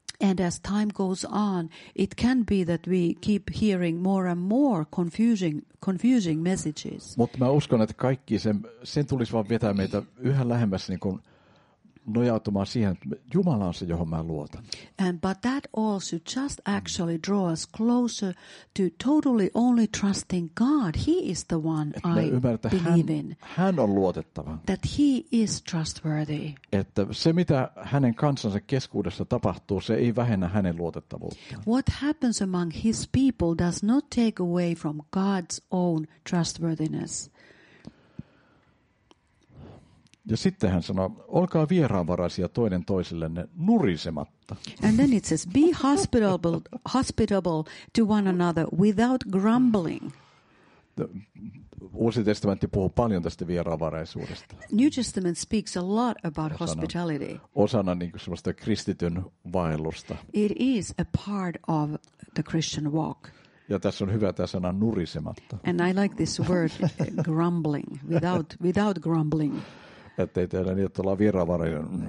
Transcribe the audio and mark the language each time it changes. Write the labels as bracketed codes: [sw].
[en] And as time goes on, it can be that we keep hearing more and more confusing messages. [fi] Mutta mä uskon, että kaikki sen tulisi vaan vetää meitä yhä lähemmäs niin kuin nojautumaan siihen, että Jumala on se, johon mä luotan. [en] And but that also just actually draw us closer to totally only trusting God. He is the one I believe in. [fi] Hän on luotettava. [en] That he is trustworthy. [fi] Että se, mitä hänen kansansa keskuudessa tapahtuu, se ei vähennä hänen luotettavuuttaan. [en] What happens among his people does not take away from God's own trustworthiness. [fi] Ja sitten hän sanoo, olkaa vieraanvaraisia toinen toisillenne nurisematta. [en] And then it says, be hospitable to one another without grumbling. [fi] Uusi testamentti puhuu paljon tästä vieraanvaraisuudesta. [en] New Testament speaks a lot about hospitality. [fi] Osana niin kuin semmoista kristityn vaellusta. [en] It is a part of the Christian walk. [fi] Ja tässä on hyvä tämä sana nurisematta. [en] And I like this word, grumbling, without grumbling. [fi] Että ei teillä niin, että ollaan vieraanvarainen.